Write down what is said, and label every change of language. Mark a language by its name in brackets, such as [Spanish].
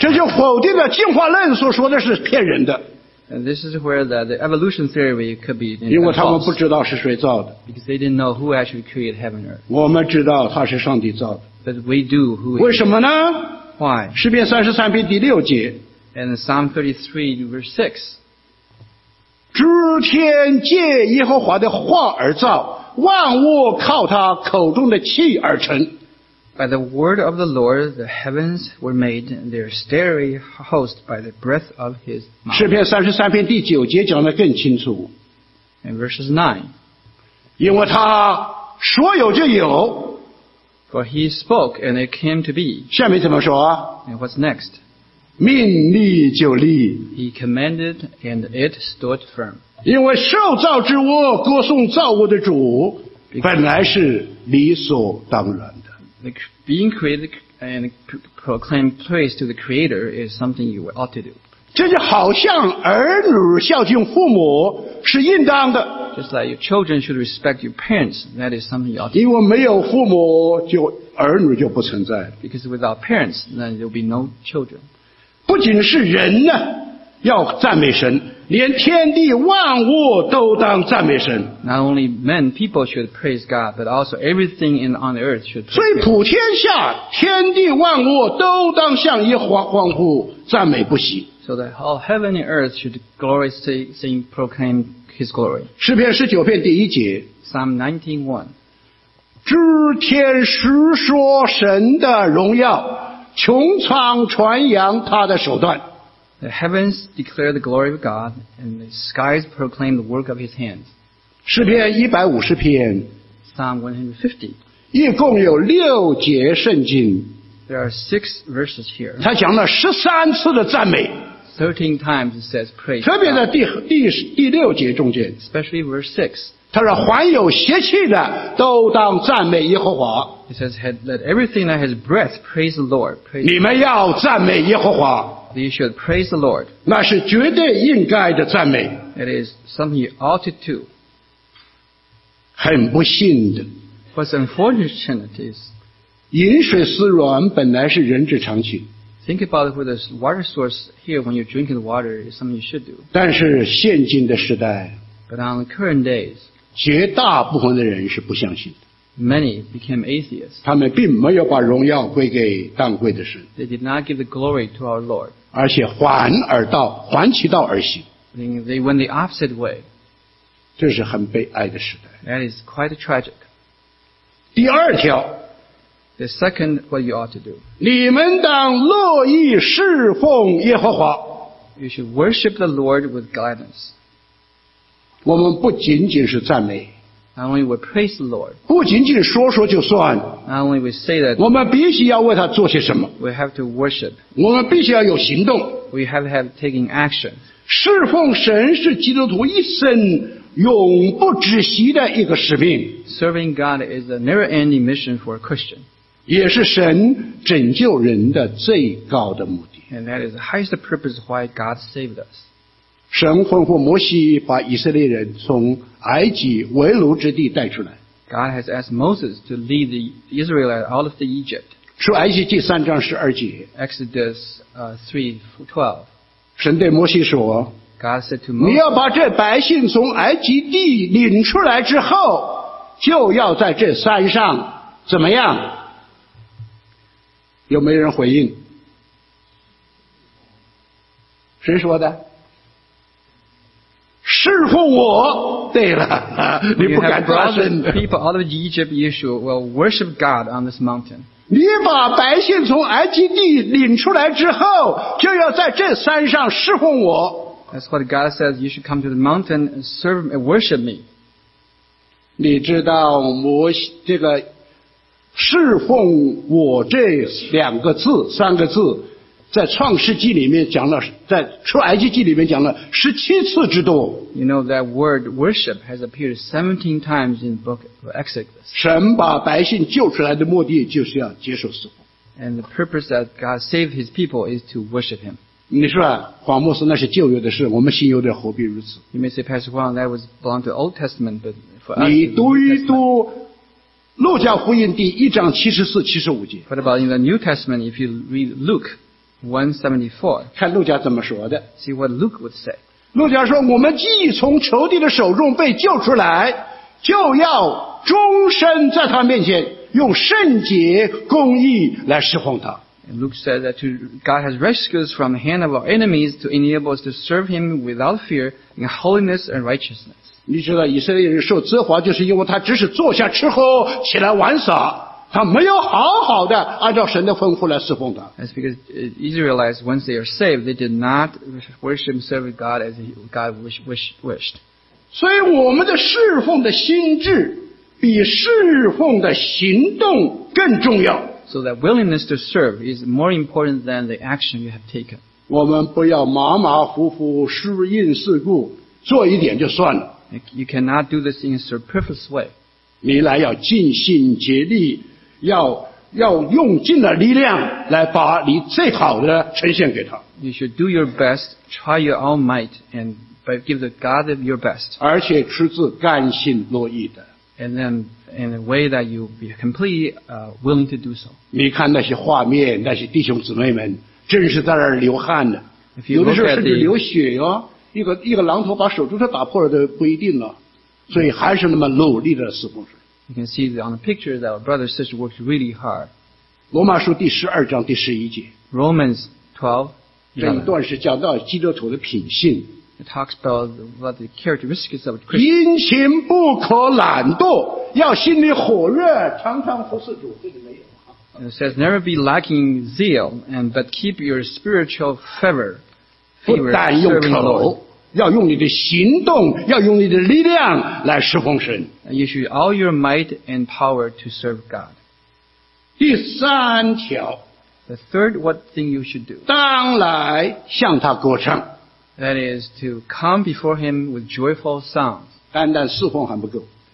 [Chinese] 这就否定了进化论所说的是骗人的。 [English] And this is where the evolution theory could be false. [Chinese] 因为他们不知道是谁造的。 [English] Because they didn't know who actually created heaven and earth. [Chinese] 我们知道他是上帝造的。 [English] But we do who he is. [Chinese] 为什么呢? [English] Why? [Chinese] 诗篇三十三篇第六节。 [English] And Psalm 33, verse 6. [Chinese] 诸天借耶和华的话而造，万物靠他口中的气而成。 [English] By the word of the Lord, the heavens were made, and their starry host by the breath of his mouth. [Chinese] 诗篇三十三篇第九节讲得更清楚。 [English] And verses 9. [Chinese] 因为他说有就有。 [English] For he spoke, and it came to be. [Chinese] 下面怎么说？ [English] And what's next? [Chinese] 命立就立。 [English] He commanded, and it stood firm. [Chinese] 因为受造之物歌颂造物的主，本来是理所当然。 [English] Being created and proclaim praise to the Creator is something you ought to do. [Chinese] 这就好像儿女孝敬父母是应当的。 [English] Just like your children should respect your parents, that is something you ought to do. [Chinese] 因为没有父母，就儿女就不存在。 [English] Because without parents, then there will be no children. [Chinese] 不仅是人呢，要赞美神，连天地万物都当赞美神。 [English] Not only men, people should praise God, but also everything on the earth should praise [Chinese] God. 所以普天下天地万物都当向耶和华欢呼赞美不息。 [English] So that all heaven and earth should gloriously sing, proclaim His glory. [Chinese] 诗篇十九篇第一节。 [English] Psalm 19:1. [Chinese] 知天实说神的荣耀，穹苍传扬他的手段。 [English] The heavens declare the glory of God, and the skies proclaim the work of His hands. [Chinese] 诗篇一百五十篇。 [English] Psalm 150. [Chinese] 一共有六节圣经。 [English] There are six verses here. [Chinese] 他讲了十三次的赞美。 [English] 13 times it says praise. [Chinese] 特别在第六节中间。 [English] Especially verse 6. [Chinese] 他说凡有邪气的都当赞美耶和华。 [English] It says let everything that has breath praise the Lord. [Chinese] 你们要赞美耶和华。 [English] You should praise the Lord. [Chinese] 那是绝对应该的赞美。 [English] It is something you ought to do. [Chinese] 很不幸的。 [English] What's unfortunate is, [Chinese] 饮水思源本来是人之常情。 [English] Think about it with this water source here when you're drinking the water is something you should do. [Chinese] 但是现今的时代。 [English] But on the current days, [Chinese] 绝大部分的人是不相信的。 [English] Many became atheists. [Chinese] 他们并没有把荣耀归给当归的神。 [English] They did not give the glory to our Lord. [Chinese] 而且反而道，反其道而行。 [English] They went the opposite way. [Chinese] 这是很悲哀的时代。 [English] That is quite tragic. [Chinese] 第二条。 [English] The second what you ought to do. [Chinese] 你们当乐意侍奉耶和华。 [English] You should worship the Lord with gladness. [Chinese] 我们不仅仅是赞美。 [English] Not only we praise the Lord. [Chinese] 不仅仅说说就算。 [English] Not only we say that. [Chinese] 我们必须要为他做些什么。 [English] We have to worship. [Chinese] 我们必须要有行动。 [English] We have to have taking action. [Chinese] 侍奉神是基督徒一生永不止息的一个使命。 [English] Serving God is a never-ending mission for a Christian. [Chinese] 也是神拯救人的最高的目的。 [English] And that is the highest purpose why God saved us. [Chinese] 神吩咐摩西把以色列人从埃及为奴之地带出来。 [English] God has asked Moses to lead the Israelites out of the Egypt. [Chinese] 出埃及记三章十二节。 [English] Exodus 3:12. [Chinese] 神对摩西说， [English] God said to Moses, [Chinese] 你要把这百姓从埃及地领出来之后，就要在这山上怎么样？有没有人回应？谁说的？侍奉我。对了，你不敢抓身。 [English] People out of Egypt, Yeshua will worship God on this mountain. [Chinese] 你把百姓从埃及地领出来之后，就要在这山上侍奉我。 [English] That's what God says. You should come to the mountain and serve and worship me. [Chinese] 你知道摩西这个侍奉我这两个字、三个字，在创世纪里面讲了，在出埃及记里面讲了十七次之多。 [English] You know that word worship has appeared 17 times in the book of Exodus. [Chinese] 神把百姓救出来的目的就是要接受侍奉。 [English] And the purpose that God saved His people is to worship Him. [Chinese] 你说黄牧师那是旧约的事，我们新约的何必如此？ [English] You may say, Pastor Huang, that was belong to the Old Testament, but for us. [Chinese] 你读一读路加福音第一章七十四、七十五节。 [English] What about in the New Testament? If you read Luke 174, [Chinese] 看路加怎么说的。 [English] See what Luke would say. [Chinese] 路加说我们既从仇敌的手中被救出来，就要终身在他面前用圣洁公义来侍奉他。 [English] And Luke said that God has rescued us from the hand of our enemies to enable us to serve Him without fear in holiness and righteousness. [Chinese] 你知道以色列人受责罚就是因为他只是坐下吃喝起来玩耍他没有好好的按照神的吩咐来侍奉他。 [English] That's because Israelites, once they are saved, they did not worship and serve God as God wished. [Chinese] 所以我们的侍奉的心智比侍奉的行动更重要。 [English] So that willingness to serve is more important than the action you have taken. [Chinese] 我们不要马马虎虎适应世故做一点就算了。 [English] You cannot do this in a superfluous way. [Chinese] 你来要尽心竭力要用尽了力量来把你最好的呈现给他。 [English] You should do your best, try your own might, and give the God of your best. [Chinese] 而且出自甘心乐意的。 [English] And then in a way that you be completely willing to do so. [Chinese] 你看那些画面那些弟兄姊妹们真是在那儿流汗的。 [English] If you [Chinese] 有的时候甚至流血哟、哦、一个榔头把手指头打破了都不一定了。所以还是那么努力的侍奉。 [English] You can see on the picture that our brother and sister worked really hard. [Chinese] 罗马书第十二章第十一节。 [English] Romans 12. [Chinese] 这一段是讲到基督徒的品性。 [English] It talks about what the characteristics of Christians. [Chinese] 殷勤不可懒惰要心里火热常常服侍主这里没有。 [English] It says never be lacking zeal, but keep your spiritual fervor. [Chinese] 不但用口要用你的行动要用你的力量来侍奉神。 [English] You should use all your might and power to serve God. [Chinese] 第三条。 [English] The third what thing you should do. [Chinese] 当来向他歌唱。 [English] That is to come before him with joyful sounds. [Chinese] 单单侍奉还不够。